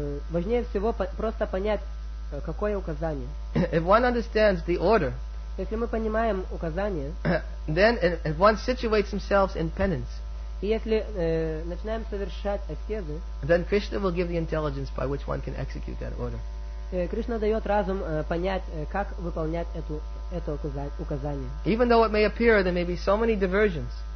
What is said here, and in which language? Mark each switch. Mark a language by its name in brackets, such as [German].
[Russian] Важнее всего просто понять, Какое указание? [English] If one understands the order, [Russian] если мы понимаем указание, [English] then if one situates themselves in penance, [Russian] и если начинаем совершать аскезы, [English] then Krishna will give the intelligence by which one can execute that order. [Russian] Кришна дает разум понять, как выполнять это указание. [English] Even though it may appear there may be so many diversions,